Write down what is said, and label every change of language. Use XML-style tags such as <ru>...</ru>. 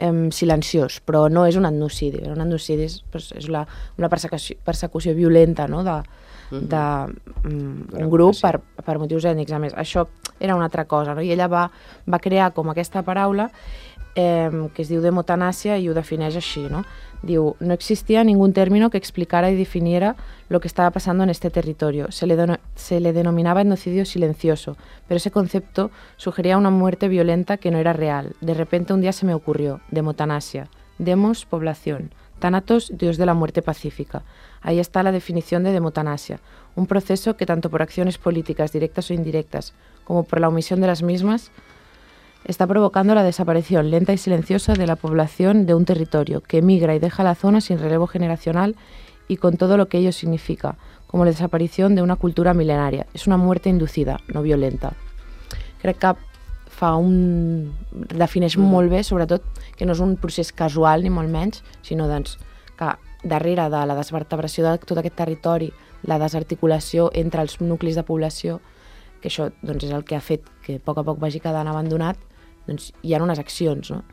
<ca>silenciós, però no és un etnocidi. Un etnocidi és, doncs, és la, una persecució violenta, no?, de, de un grup per motius ètnics. A més, això era una altra cosa, no? I ella va crear com aquesta paraula, que es diu demotanàsia, i ho defineix així, no? Diu,</ca> <es>no existia ningún término que explicara y definiera lo que estaba pasando en este territorio. Se le denominaba etnocidio silencioso, pero ese concepto sugería una muerte violenta que no era real. De repente un día se me ocurrió, demotanasia, demos, población, tanatos, dios de la muerte pacífica. Ahí está la definición de demotanasia, un proceso que tanto por acciones políticas directas o indirectas, como por la omisión de las mismas, está provocando la desaparición lenta y silenciosa de la población de un territorio que migra y deja la zona sin relevo generacional y con todo lo que ello significa, como la desaparición de una cultura milenaria. Es una muerte inducida, no violenta.</es> <ca>Crec que fa un... defineix molt bé, sobretot, que no és un procés casual, ni molt menys, sinó doncs, que darrere de la desvertebració de tot aquest territori, la desarticulació entre els nuclis de població, que això doncs, és el que ha fet que a poc a poc vagi quedant abandonat, doncs hi ha unes accions, no?</ca>